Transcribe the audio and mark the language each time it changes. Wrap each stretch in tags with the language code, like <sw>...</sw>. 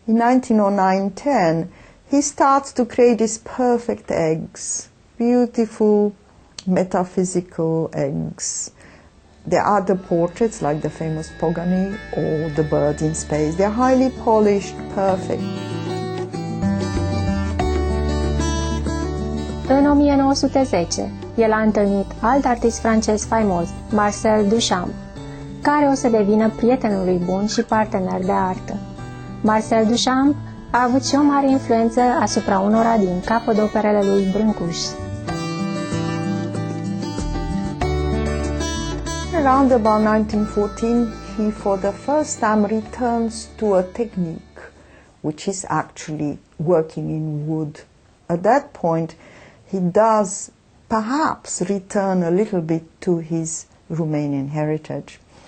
<en>In 1909-10, he starts to create his perfect eggs, beautiful metaphysical eggs. There are the portraits, like the famous Pogani or the bird in space. They're highly polished, perfect.</en> <ro>În 1910, el a întâlnit alt artist francez faimos, Marcel Duchamp, care o să devină prietenul lui bun și partener de artă. Marcel Duchamp a avut și o mare influență asupra unora din capodoperele lui Brâncuș.</ro> <en>Around about 1914, he for the first time returns to a technique which is actually working in wood. At that point, he does perhaps return a little bit to his Romanian heritage.</en>